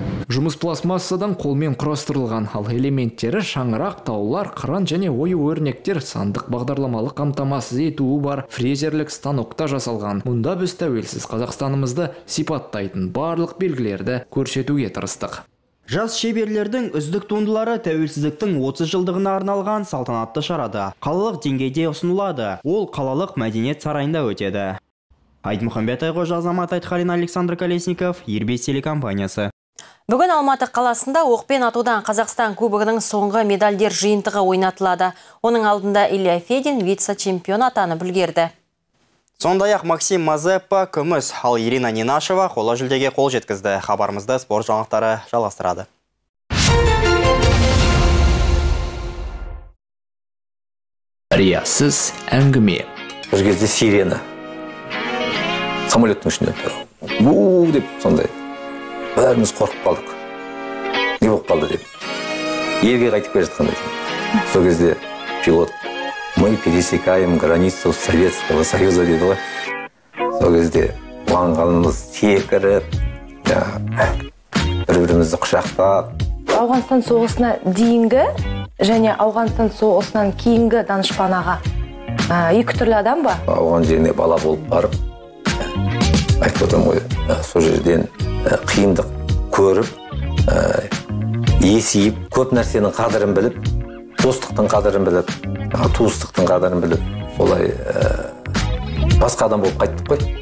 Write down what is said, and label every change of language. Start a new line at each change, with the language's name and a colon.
Kazakh: Жұмыс пластмассадан қолмен құрастырылған, ал элементтері шаңырақ, таулар, қыран және ою өрнектер сандық бағдарламалық қамтамасыз етуі бар фрезерлік станокта жасалған. Мұнда біз тәуелсіз Қазақстанымызды сипаттайтын барлық белгілерді көрсетуге тырыстық. Жас шеберлердің үздік туындылары тәуелсіздіктің 30 жылдығына арналған салтанатты шарада қалалық деңгейде ұсынылады. Ол қалалық мәдениет сарайында өтеді. Айтмухамбет Айгожа, Азамат Айтхалин, Александр Колесников, Ирбис телекомпаниясы. Бүгін Алматы қаласында оқпен атудан Қазақстан кубығының соңғы медальдер жиынтығы ойнатылады. Оның алдында Илья Федин вице-чемпион атаны білгерді. Сондай-ақ Максим Мазеппа күміс, ал Ирина Нинашева қола жүлдеге қол жеткізді. Хабарымызды спорт жаңалықтары жалғастырады. Риясыз әңгіме. Бір кезде сирена. Самолеттің ішінде тұр. Бу деп сондай. Бәріміз қорқып қалдық. Не болып қалды деп. Елге қайтып келе жатқанда. Сол кезде пилот:
Russian: «Мы пересекаем границу Советского Союза»,
Kazakh: дейді ғой. Сол кезде қуанғанымыз секіріп, бір-бірімізді құшақтап. Ауғанстан соғысына дейінгі және Ауғанстан соғысынан кейінгі данышпанаға екі түрлі адам ба? Ауған жеріне бала болып барып, айтып отырмын ғой, сол жерден қиындық көріп, есейіп, көп нәрсенің қадірін біліп, достықтың қадірін біліп, туыстықтың қадірін біліп, олай басқа адам болып қайттық қой.